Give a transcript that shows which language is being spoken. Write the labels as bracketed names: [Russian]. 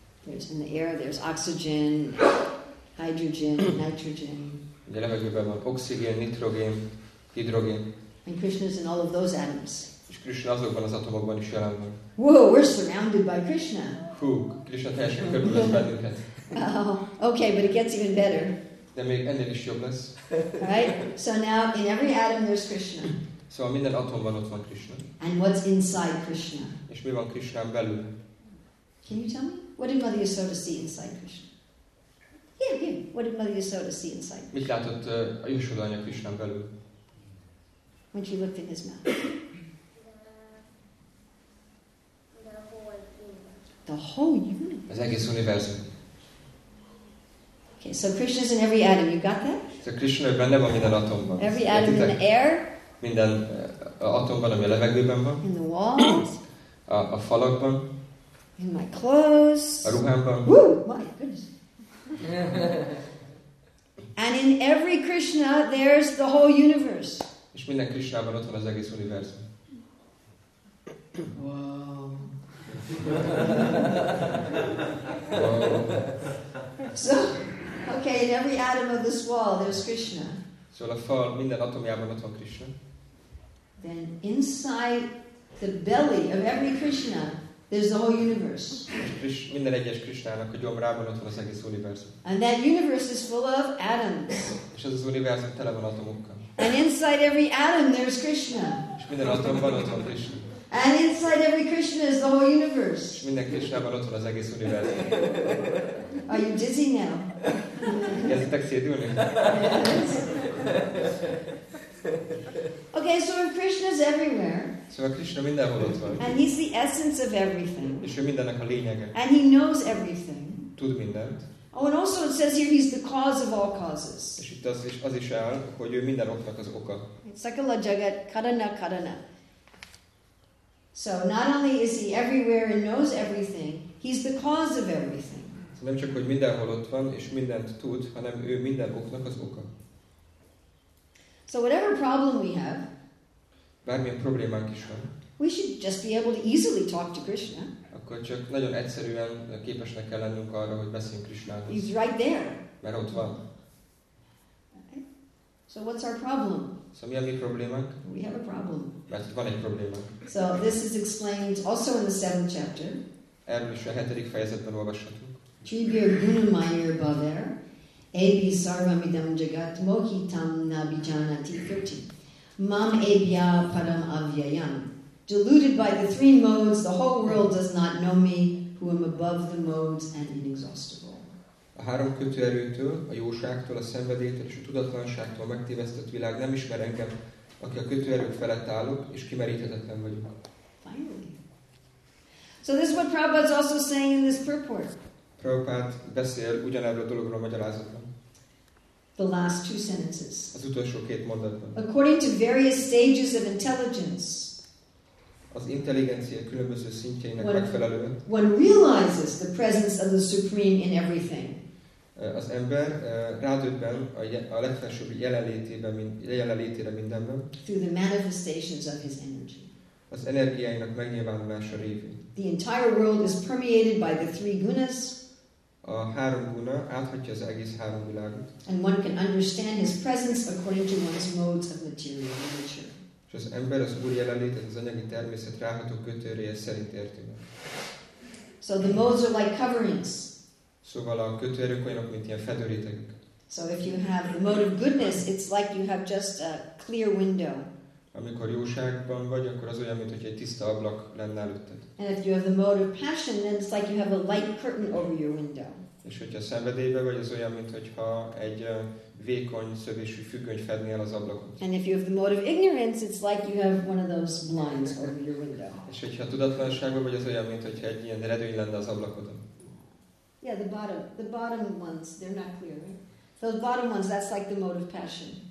[English] There's in the air, there's oxygen, hydrogen, nitrogen. [Hungarian] A levegőben van oxigén, nitrogén, hidrogén. [English] And Krishna is in all of those atoms. [Hungarian] És Krishna azokban az atomokban is jelen van. [English] Whoa, we're surrounded by Krishna. [Hungarian] Hú, Krishna teljesen körülvesz bennünket. [English] Okay, but it gets even better. [Hungarian] De még ennél is jobb lesz. [English] Right? So now in every atom there's Krishna. [Hungarian] Szóval minden atomban ott van Krishna. [English] And what's inside Krishna? [Hungarian] És mi van Krishnán belül? [English] Can you tell me? What did Mother Yasoda see inside Krishna? Yeah, yeah. What did Mother Yasoda see inside [Hungarian] Krishna? Mit látott a Yasoda anya Krishnán belül? [English] When she looked in his mouth. The whole universe. [Hungarian] Az egész univerzum. [English] Okay, so Krishna is in every atom. You got that? [Hungarian] So Krishna benne van minden atomban. [English] Every atom in the air. [Hungarian] Minden atomban, ami a levegőben van. [English] In the walls. [Hungarian] A falakban. [English] In my clothes. [Hungarian] A ruhámban. [English] Woo! My goodness. And in every Krishna, there's the whole universe. [Hungarian] És minden Krishnában ott van az egész univerzum. [English] Wow. So, okay, in every atom of this wall, there's Krishna. [Hungarian] So a fal minden atomjában ott van Krishna. [English] Then inside the belly of every Krishna, there's the whole universe. [Hungarian] Minden egyes Krishnának a gyomrában ott van az egész univerzum. [English] And that universe is full of atoms. [Hungarian] És az univerzum tele van atomokkal. [English] And inside every atom, there's Krishna. [Hungarian] És minden atomban ott van Krishna. [English] And inside every Krishna is the whole universe. [Hungarian] Minden Krishnában ott van az egész univerzum. [English] Are you dizzy now? [Hungarian] Kezdtek szédülni? [English] Okay, so Krishna is everywhere. [Hungarian] So Krishna mindenhol ott van. [English] And he's the essence of everything. [Hungarian] És ő mindennek a lényege. [English] And he knows everything. [Hungarian] Tud mindent. [English] Oh, and also it says here he's the cause of all causes. [Hungarian] És itt az is áll, hogy ő minden oknak az oka. [Sanskrit] Sakala jagat karana karana. [English] So not only is he everywhere and knows everything, he's the cause of everything. [Hungarian] Nem csak hogy mindenhol ott van és mindent tud, hanem ő minden oknak az oka. [English] So whatever problem we have, [Hungarian] bármilyen problémánk is van, [English] we should just be able to easily talk to Krishna. [Hungarian] Akkor csak nagyon egyszerűen képesnek kell lennünk arra, hogy beszéljünk Krishnához. [English] He's right there. [Hungarian] Mert ott van. [English] So what's our problem? [Hungarian] So mi a mi problémánk? [English] We have a problem. [Hungarian] Mert van egy probléma. [English] So this is explained also in the 7th chapter. [Hungarian] Erről is a 7. fejezetben olvashatunk. [Sanskrit] Tribhir gunamayir bhaver, ebhi sarvamidam jagat mohitam nabijanati kirti, mam ebhya param avyayam. [English] Deluded by the three modes, the whole world does not know me, who am above the modes and inexhaustible. [Hungarian] A három kötő erőtől, a jóságtól, a szenvedéttől és a tudatlanságtól megtévesztett világ nem ismer engem, aki a kötő erők felett állok, és kimeríthetetlen vagyok. [English] So this is what Prabhupada is also saying in this purport. [Hungarian] Prabhupada beszél ugyanerről a dologról a magyarázatban. [English] The last two sentences. [Hungarian] Az utolsó két mondatban. [English] According to various stages of intelligence. [Hungarian] Az intelligencia különböző szintjeinek megfelelően. [English] One realizes the presence of the supreme in everything. [Hungarian] Az ember rádöbben a legfelsőbb jelenlétére mindenben. [English] Through the manifestations of his energy. [Hungarian] Az energiáinak megnyilvánulása révén. [English] The entire world is permeated by the three gunas. [Hungarian] A három guna áthatja az egész három világot. [English] And one can understand his presence according to one's modes of material nature. [Hungarian] Az ember az Úr jelenlétet az anyagi természet ráható kötőréje szerint érti meg. [English] So the modes are like coverings. [Hungarian] Szóval a kötőerők olyanok, mint ilyen fedőrétegek. [English] So if you have the mode of goodness, it's like you have just a clear window. [Hungarian] Amikor jóságban vagy, akkor az olyan, mint hogy egy tiszta ablak lenne előtted. [English] And if you have the mode of passion, then it's like you have a light curtain over your window. [Hungarian] És hogyha szenvedélyben vagy, az olyan, mint hogyha egy vékony szövésű függöny fedné el az ablakot. [English] And if you have the mode of ignorance, it's like you have one of those blinds over your window. [Hungarian] És hogyha tudatlanságban vagy, az olyan, mint hogyha egy ilyen redőny lenne az ablakodon. [English] Yeah, the bottom ones, they're not clear, right? Those bottom ones, that's like the mode of passion.